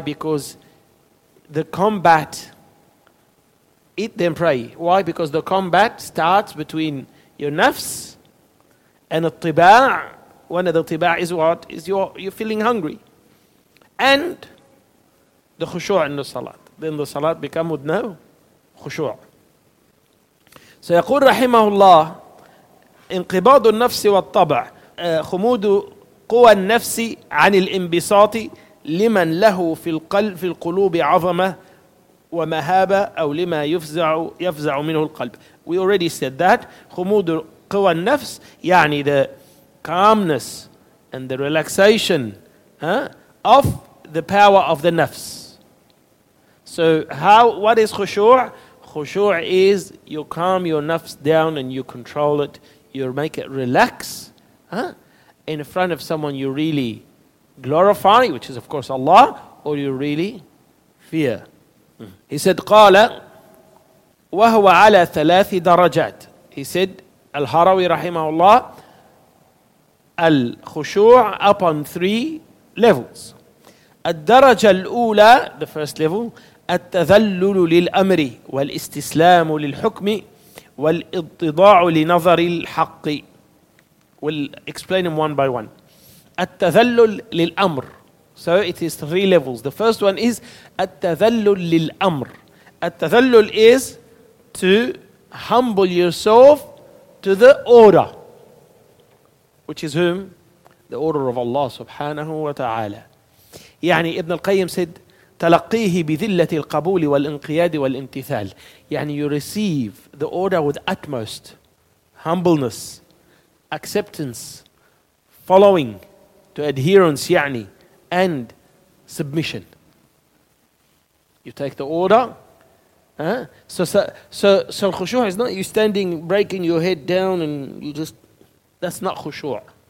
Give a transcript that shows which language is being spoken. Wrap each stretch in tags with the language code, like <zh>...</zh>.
<en>Because the combat, eat then pray. Why? Because the combat starts between your nafs and al-tiba'. One of the tiba' is what? Is you're feeling hungry. And the khushu' in the salat. Then the salat become with no khushu'. So</en> <ar>يقول رحمه الله, انقباض النفس والطبع خمود قوى النفس عن الانبساط لمن له في القلب في القلوب عظمة ومهابة أو لما يفزع منه القلب.</ar> <en>We already said that</en> <ar>خمود قوى النفس, يعني</ar> <en>the calmness and the relaxation of the power of the nafs. So what is خشوع? خشوع is you calm your nafs down and you control it. You make it relax in front of someone you really glorify, which is of course Allah, or you really fear. He said,</en> <ar>قال وهو على ثلاث درجات.</ar> <en>He said,</en> <ar>الهروي رحمه الله,</ar> <en>الخشوع upon three levels.</en> <ar>الدرجة الأولى,</ar> <en>the first level,</en> <ar>التذلل للأمر والاستسلام للحكم والاضطداع لنظر الحق.</ar> <en>We'll explain them one by one.</en> <ar>التذلل للأمر.</ar> <en>So it is three levels. The first one is</en> <ar>التذلل للأمر.</ar> <en>التذلل is to humble yourself to the order, which is whom? The order of Allah subhanahu wa ta'ala.</en> <ar>يعني ابن القيم</ar> <en>said</en> <ar>تلقيه بذلة القبول والانقياد والامتثال. يعني</ar> <en>you receive the order with utmost humbleness, acceptance, following to adherence, يعني, and submission. You take the order. So الخشوع is not you standing, breaking your head down and you just, that's not خشوع.</en>